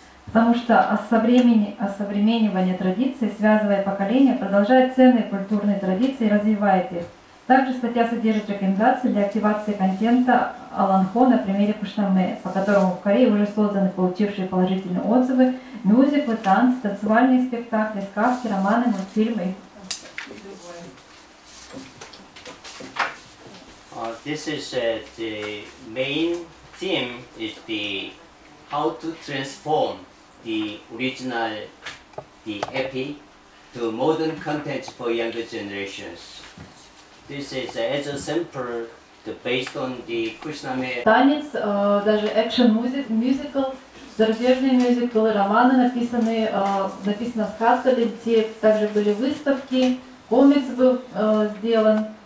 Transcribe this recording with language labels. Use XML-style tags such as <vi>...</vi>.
<ru>Потому что осовременивание традиций, связывая поколения, продолжает ценные культурные традиции и развивает их. Также статья содержит рекомендации для активации контента Аланхо на примере Кушнаме, по которому в Корее уже созданы получившие положительные отзывы мюзиклы, танцы, танцевальные спектакли, сказки, романы, мультфильмы.</ru> <en>This is the main theme is the how to transform the original the epi to modern contents for younger generations. This is as a sample the based on the Кушнаме.</en> <ru>Танец, даже</ru> <en>action music, musical,</en> <ru>зарубежные мюзиклы, романы написаны, написана сказка для детей, также были выставки, комикс был сделан.</ru>